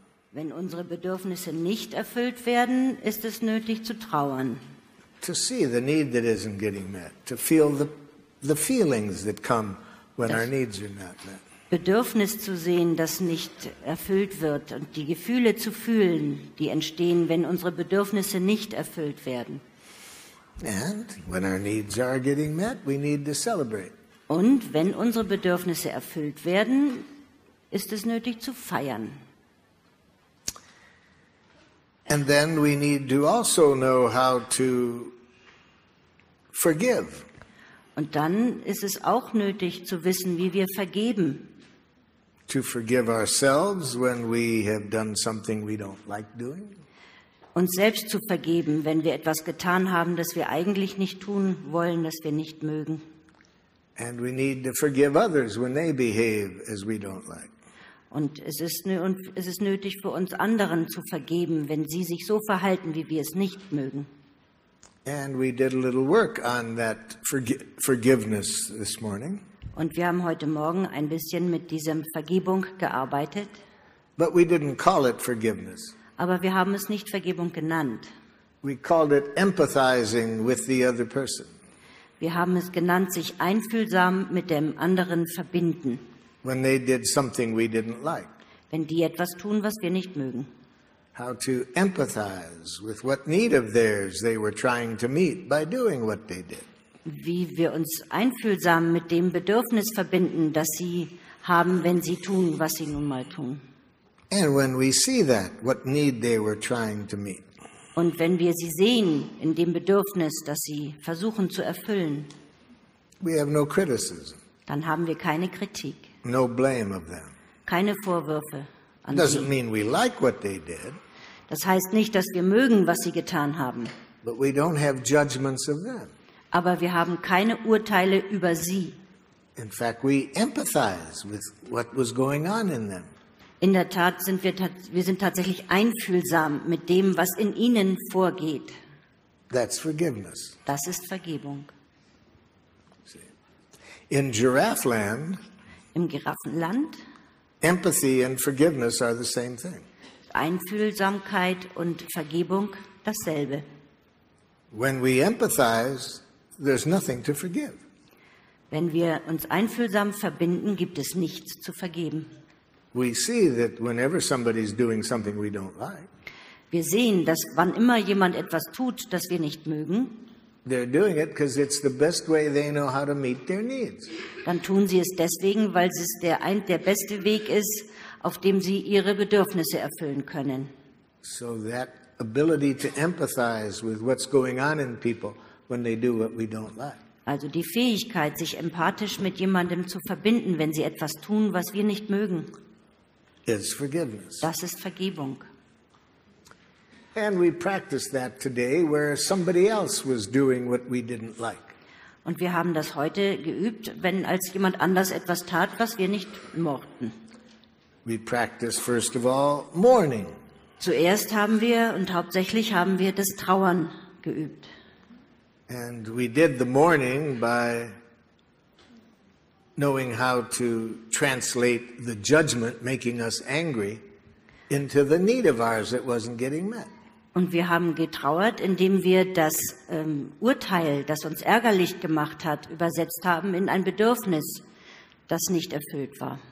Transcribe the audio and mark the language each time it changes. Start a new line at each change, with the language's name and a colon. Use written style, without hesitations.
German: Wenn unsere Bedürfnisse nicht erfüllt werden, ist es nötig zu trauern.
English: To see the need that isn't getting met, to feel the feelings that come when our needs are not met.
German: Bedürfnis zu sehen, das nicht erfüllt wird, und die Gefühle zu fühlen, die entstehen, wenn unsere Bedürfnisse nicht erfüllt werden.
English: And when our needs are getting met, we need to celebrate.
German: Und wenn unsere Bedürfnisse erfüllt werden, ist es nötig zu feiern.
English: And then we need to also know how to forgive.
German: Und dann ist es auch nötig zu wissen, wie wir vergeben.
English: To forgive ourselves when we have done something we don't like doing.
German: Uns selbst zu vergeben, wenn wir etwas getan haben, das wir eigentlich nicht tun wollen, das wir nicht mögen.
English: And we need to forgive others when they behave as we don't like.
German: Und es ist nötig für uns anderen zu vergeben, wenn sie sich so verhalten, wie wir es nicht mögen.
English: And we did a little work on that forgiveness this morning.
German: Und wir haben heute Morgen ein bisschen mit diesem Vergebung gearbeitet.
English: But we didn't call it forgiveness.
German: Aber wir haben es nicht Vergebung genannt.
English: We called it empathizing with the other person.
German: Wir haben es genannt, sich einfühlsam mit dem anderen verbinden.
English: When they did something we didn't like.
German: Wenn die etwas tun, was wir nicht mögen.
English: How to empathize with what need of theirs they were trying to meet by doing what they did.
German: Wie wir uns einfühlsam mit dem Bedürfnis verbinden, das sie haben, wenn sie tun, was sie nun mal tun.
English: And when we see that, what need they were trying to meet.
German: Und wenn wir sie sehen in dem Bedürfnis, das sie versuchen zu erfüllen.
English: We have no criticism.
German: Dann haben wir keine Kritik.
English: No blame of them.
German: Keine Vorwürfe an
English: Doesn't mean we like what they did.
German: Das heißt nicht, dass wir mögen, was sie getan haben.
English: But we don't have judgments of them.
German: Aber wir haben keine Urteile über sie.
English: In fact, we empathize with what was going on in them.
German: In der Tat sind wir sind tatsächlich einfühlsam mit dem, was in ihnen vorgeht.
English: That's forgiveness.
German: Das ist Vergebung.
English: In Giraffe Land.
German: Im Giraffenland.
English: Empathy and forgiveness are the same thing.
German: Einfühlsamkeit und Vergebung dasselbe.
English: When we empathize, there's nothing to forgive.
German: Wenn wir uns einfühlsam verbinden, gibt es nichts zu vergeben.
English: We see that whenever somebody's doing something we don't like.
German: Wir sehen, dass wann immer jemand etwas tut, das wir nicht mögen.
English: They're doing it because it's the best way they know how to meet their needs.
German: Dann tun sie es deswegen, weil es der beste Weg ist, auf dem sie ihre Bedürfnisse erfüllen können.
English: So that ability to empathize with what's going on in people when they do what we don't like.
German: Also die Fähigkeit, sich empathisch mit jemandem zu verbinden, wenn sie etwas tun, was wir nicht mögen.
English: Is forgiveness.
German: Das ist Vergebung.
English: And we practiced that today where somebody else was doing what we didn't like.
German: Und wir haben das heute geübt, wenn als jemand anders etwas tat, was wir nicht mochten.
English: We practiced first of all mourning.
German: Zuerst haben wir und hauptsächlich haben wir das Trauern geübt.
English: And we did the mourning by knowing how to translate the judgment making us angry into the need of ours that wasn't getting met.
German: Und wir haben getrauert, indem wir das Urteil, das uns ärgerlich gemacht hat, übersetzt haben in ein Bedürfnis, das nicht erfüllt war.